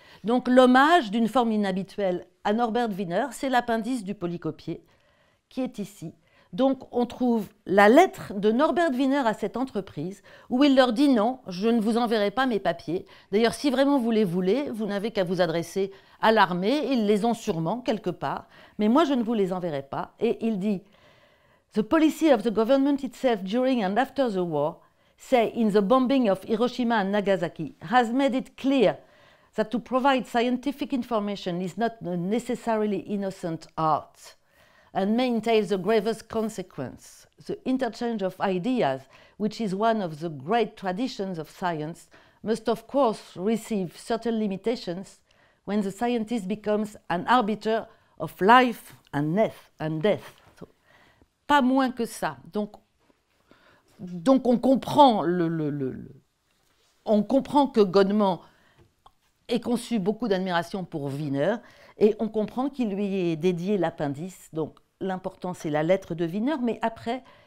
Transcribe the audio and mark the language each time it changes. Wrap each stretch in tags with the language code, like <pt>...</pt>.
<fr>Donc l'hommage d'une forme inhabituelle à Norbert Wiener, c'est l'appendice du polycopier qui est ici. Donc on trouve la lettre de Norbert Wiener à cette entreprise où il leur dit non, je ne vous enverrai pas mes papiers. D'ailleurs, si vraiment vous les voulez, vous n'avez qu'à vous adresser à l'armée. Ils les ont sûrement quelque part, mais moi je ne vous les enverrai pas. Et il dit,</fr> <en>the policy of the government itself during and after the war, say in the bombing of Hiroshima and Nagasaki, has made it clear that to provide scientific information is not a necessarily innocent art and may entail the gravest consequence. The interchange of ideas, which is one of the great traditions of science, must of course receive certain limitations when the scientist becomes an arbiter of life and death.</en> <fr>So, pas moins que ça. Donc on comprend on comprend que Godman ait conçu beaucoup d'admiration pour Wiener, et on comprend qu'il lui ait dédié l'appendice. Donc l'important, c'est la lettre de Wiener, mais après,</fr>